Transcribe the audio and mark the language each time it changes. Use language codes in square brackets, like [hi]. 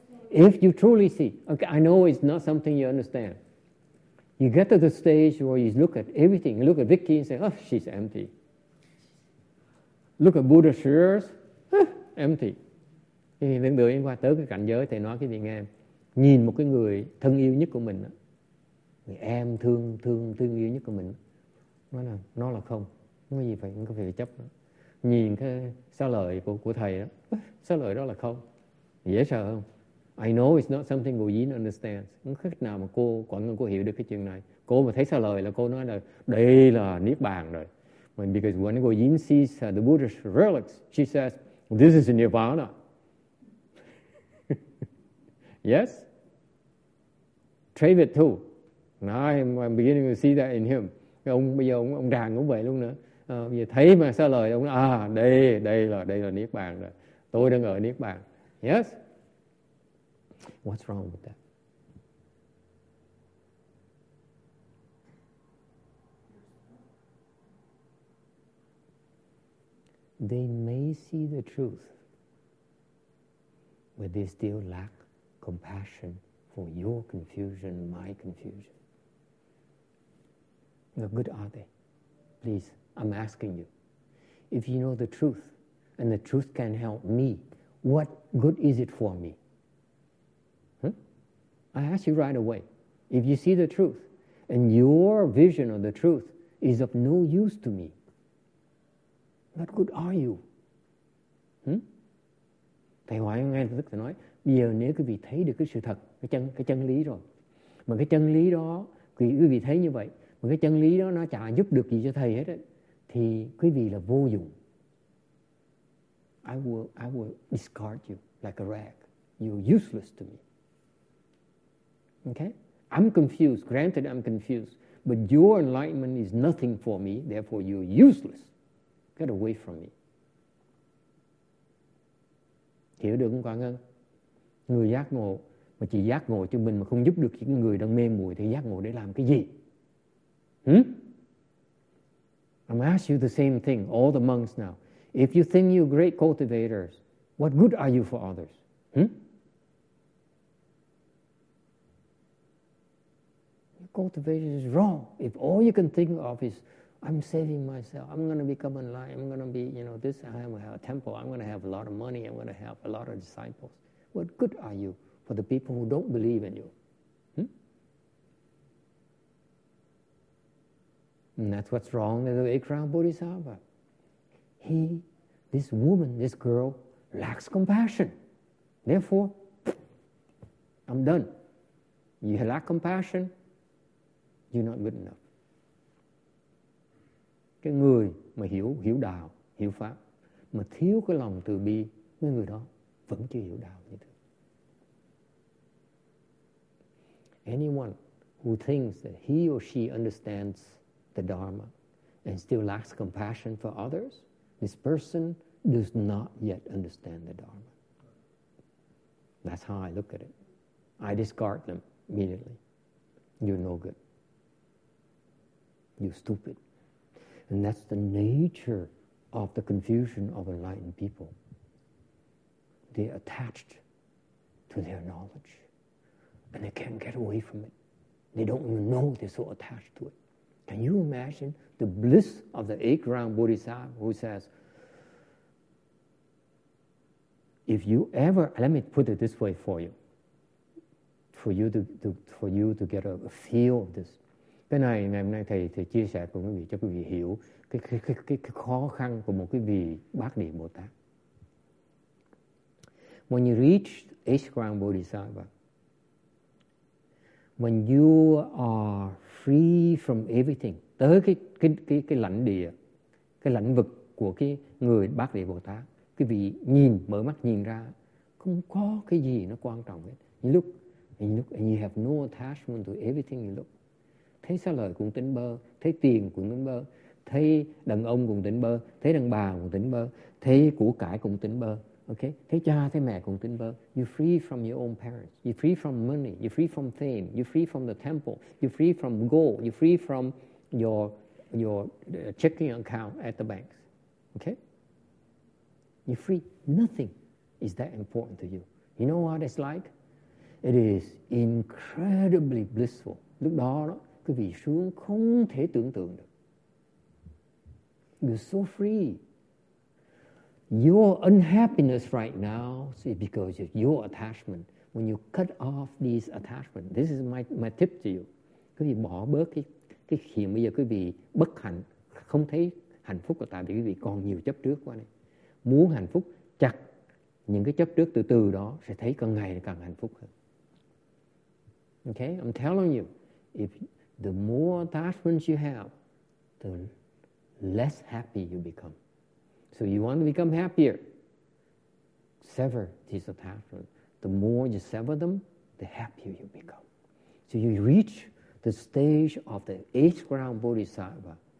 [en] If you truly see, okay, I know it's not something you understand. You get to the stage where you look at everything. You look at Vicky and say, oh, she's empty. Look at Buddha Shears, empty. [vi] Thì đừng đợi em qua tới cái cảnh giới, thầy nói quý vị nghe. Nhìn một cái người thân yêu nhất của mình, người em thương yêu nhất của mình, nó là không, không có gì phải, không có phải chấp. Nhìn cái xá lợi của thầy đó, xá lợi đó là không. Dễ sợ không? [en] I know it's not something Bồ Dín understands. [vi] Không khách nào mà cô, quả ngân cô hiểu được cái chuyện này. Cô mà thấy xá lợi là cô nói là đây là Niết Bàn rồi. [en] Because when Bồ Dín sees the Buddha's relics, she says, this is Nirvana. Yes? Trave it too. Now I'm beginning to see that in him. [vi] Ông bây giờ ông đàn cũng vậy luôn nữa. Bây giờ thấy mà sao lời ông nói, đây là Niết Bàn rồi. Tôi đang ở Niết Bàn. [en] Yes? What's wrong with that? They may see the truth, but they still lack compassion for your confusion, my confusion. How good are they? Please, I'm asking you. If you know the truth, and the truth can help me, what good is it for me? I ask you right away. If you see the truth, and your vision of the truth is of no use to me, what good are you? [vi] Thầy hỏi ngay lập tức, thầy nói, bây giờ nếu quý vị thấy được cái sự thật, cái chân lý rồi, mà cái chân lý đó, quý vị thấy như vậy, mà cái chân lý đó nó chả giúp được gì cho thầy hết ấy, thì quý vị là vô dụng. [en] I will discard you like a rag. You're useless to me. Okay? I'm confused. Granted, I'm confused. But your enlightenment is nothing for me. Therefore, you're useless. Get away from me. [vi] Hiểu được không, Quang Ngân? Người giác ngộ mà chỉ giác ngộ cho mình mà không giúp được những người đang mê muội thì giác ngộ để làm cái gì? [en] I'm asking you the same thing, all the monks now. If you think you're great cultivators, what good are you for others? Your cultivation is wrong. If all you can think of is, I'm saving myself, I'm going to become enlightened, I'm going to be, you know, this, I'm going to have a temple, I'm going to have a lot of money, I'm going to have a lot of disciples. What good are you for the people who don't believe in you? And that's what's wrong with the eight-crowned bodhisattva. This woman, this girl, lacks compassion. Therefore, I'm done. You lack compassion, you're not good enough. [vi] Cái người mà hiểu đạo, hiểu pháp, mà thiếu cái lòng từ bi, cái người đó vẫn chưa hiểu đạo như thế. [en] Anyone who thinks that he or she understands the Dharma and still lacks compassion for others, this person does not yet understand the Dharma. That's how I look at it. I discard them immediately. You're no good. You're stupid. And that's the nature of the confusion of enlightened people. They're attached to their knowledge and they can't get away from it. They don't even know they're so attached to it. Can you imagine the bliss of the eight-crowned bodhisattva who says, if you ever, let me put it this way for you, for you to get a feel of this. [vi] Cái này ngày hôm nay thầy chia sẻ cùng quý vị cho quý vị hiểu cái khó khăn của một cái vị bát địa Bồ Tát. [en] When you reach eight-crowned bodhisattva, when you are free from everything, [vi] tới cái lãnh địa, cái lãnh vực của cái người bát địa Bồ Tát, cái vị nhìn, mở mắt nhìn ra, không có cái gì nó quan trọng hết. [en] You look, and you have no attachment to everything you look. [vi] Thấy xa lời cũng tỉnh bơ, thấy tiền cũng tỉnh bơ, thấy đàn ông cũng tỉnh bơ, thấy đàn bà cũng tỉnh bơ, thấy của cải cũng tỉnh bơ, okay? Thấy cha, thấy mẹ cũng tỉnh bơ. [en] You're free from your own parents. You're free from money. You're free from fame. You're free from the temple. You're free from gold. You're free from your checking account at the banks, okay? You're free. Nothing is that important to you. You know what it's like? It is incredibly blissful. [vi] Lúc đó, cái vị sướng không thể tưởng tượng được. [en] You're so free. Your unhappiness right now is because of your attachment. When you cut off these attachments, this is my tip to you. [vi] Quý vị bỏ bớt cái hiện bây giờ quý vị bất hạnh, không thấy hạnh phúc là tại vì quý vị còn nhiều chấp trước quá này. Muốn hạnh phúc, chặt những cái chấp trước từ từ đó sẽ thấy càng ngày càng hạnh phúc hơn. [en] Okay, I'm telling you, if the more attachments you have, the less happy you become. So you want to become happier, sever these attachments. The more you sever them, the happier you become. So you reach the stage of the eighth-ground bodhisattva.